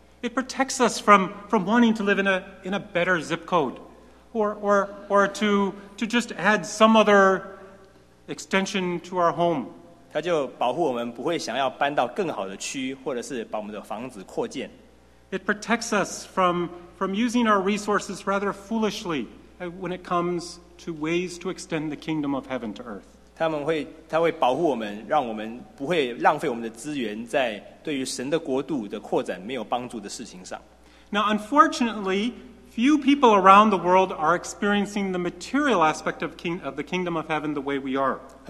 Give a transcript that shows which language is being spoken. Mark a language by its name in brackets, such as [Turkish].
[English] It protects us from wanting to live in a better zip code, or to just add some other extension to our home. [Chinese] 它就保护我们不会想要搬到更好的区，或者是把我们的房子扩建。 [English] It protects us from using our resources rather foolishly when it comes to ways to extend the kingdom of heaven to earth. [Chinese] 它们会保护我们，让我们不会浪费我们的资源在对于神的国度的扩展没有帮助的事情上。 [English] Now, unfortunately, few people around the world are experiencing the material aspect of the kingdom of heaven the way we are.